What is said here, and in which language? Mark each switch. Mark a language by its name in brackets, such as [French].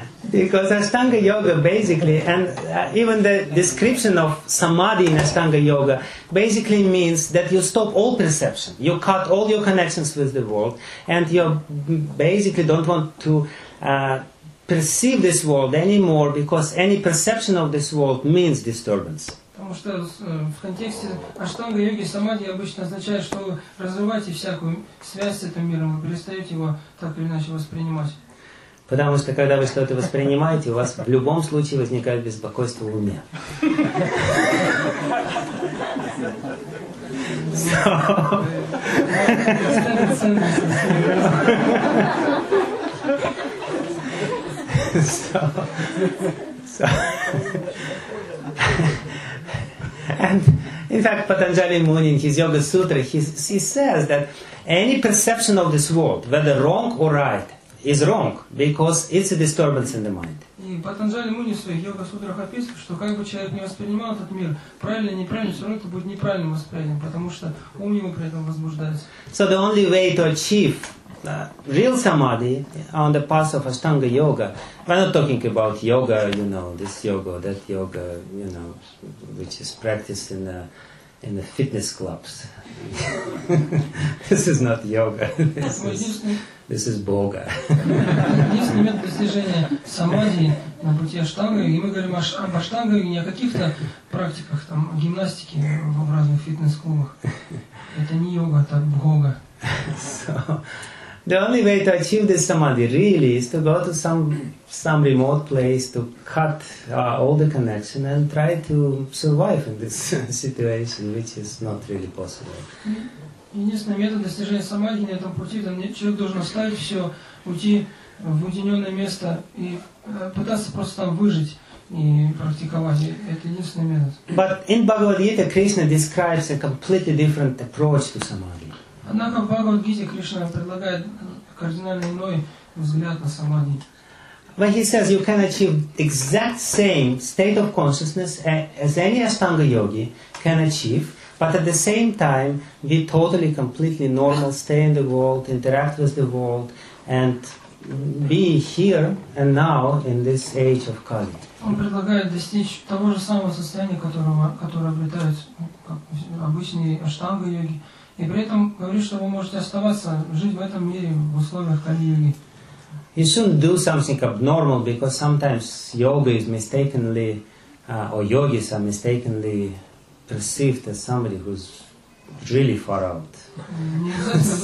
[English] Because Ashtanga Yoga basically, and even the description of samadhi in Ashtanga Yoga basically means that you stop all perception, you cut all your connections with the world, and you basically don't want to perceive this world anymore, because any perception of this world means disturbance. [Russian] Потому что в контексте Аштанга йоги самадхи обычно означает, что вы разрываете всякую связь с этим миром, вы перестаете его так или иначе воспринимать. Потому что когда вы что-то воспринимаете, у вас в любом случае возникает беспокойство в уме. [English] So, and in fact, Patanjali Muni in his Yoga Sutra, he says that any perception of this world, whether wrong or right, is wrong because it's a disturbance in the mind. [Russian] И Патанджали Муни в своих йога-сутрах описывает, что как бы человек не воспринимал этот мир, правильно или неправильно, все равно это будет неправильным восприятием, потому что ум его при этом возбуждается. [English] So the only way to achieve real samadhi on the path of Ashtanga yoga, we're not talking about yoga, you know, this yoga, that yoga, you know, which is practiced in the fitness clubs. This is not yoga. This is boga. [Russian] Единственный метод достижения самадхи на пути аштанга, и мы говорим об аштангах, не о каких-то практиках, там, о гимнастике в разных фитнес-клубах. Это не йога, это бога. [English] So, the only way to achieve this samadhi really is to go to some remote place to cut all the connection and try to survive in this situation, which is not really possible. [Russian] Единственный метод достижения самадхи на этом пути, там человек должен оставить все, уйти в уединенное место и пытаться просто там выжить и практиковать. Это единственный метод. [English] But in Bhagavad Gita, Krishna describes a completely different approach to samadhi. [Russian] Однако в Bhagavad Gita Krishna предлагает кардинально иной взгляд на самадхи. [English] When he says you can achieve exact same state of consciousness as any Ashtanga yogi can achieve, but at the same time, be totally, completely normal, stay in the world, interact with the world, and be here and now in this age of Kali. [Russian] Он предлагает достичь того же самого состояния, которое обретают обычные аштанга-йоги, и при этом говорит, что вы можете оставаться, жить в этом мире в условиях Кали-йоги. [English] You shouldn't do something abnormal, because sometimes yoga is mistakenly, or yogis are mistakenly perceived as somebody who's really far out.